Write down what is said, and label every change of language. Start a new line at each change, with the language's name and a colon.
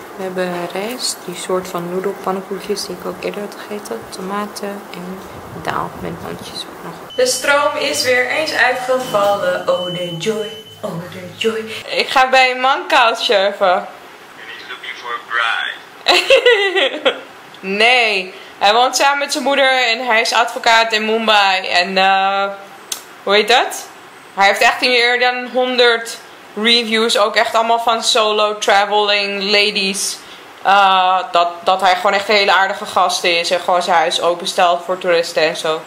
Dutch: We hebben rijst, die soort van noedelpannenkoekjes die ik ook eerder had gegeten. Tomaten en daal met mandjes ook nog. De stroom is weer eens uitgevallen.
English: Oh, the joy. Oh, the joy.
Dutch: Ik ga bij een mancoat surfen.
English: And he's looking for a bride.
Dutch: Nee, hij woont samen met zijn moeder en hij is advocaat in Mumbai. En hoe heet dat? Hij heeft echt meer dan 100 reviews, ook echt allemaal van
English: solo traveling ladies.
Dutch: Dat hij gewoon echt een hele aardige gast is en gewoon zijn huis openstelt voor toeristen en zo.